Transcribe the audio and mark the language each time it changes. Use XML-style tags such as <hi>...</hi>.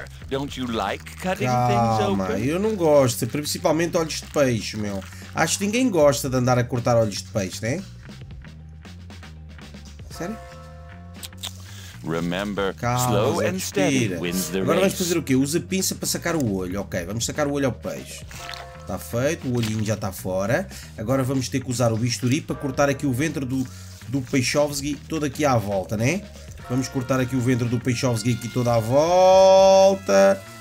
<en>Don't you like cutting things open?</en> <pt>Eu não gosto, principalmente olhos de peixe, meu. Acho que ninguém gosta de andar a cortar olhos de peixe, né? Sério?</pt> <en>Remember, slow and steady wins the race.</en> <pt>Agora vamos fazer o quê? Usa a pinça para sacar o olho. Ok, vamos sacar o olho ao peixe. Está feito, o olhinho já está fora. Agora vamos ter que usar o bisturi para cortar aqui o ventre do Peixovski todo aqui à volta, né? Vamos cortar aqui o ventre do Peixovski aqui toda à volta.</pt>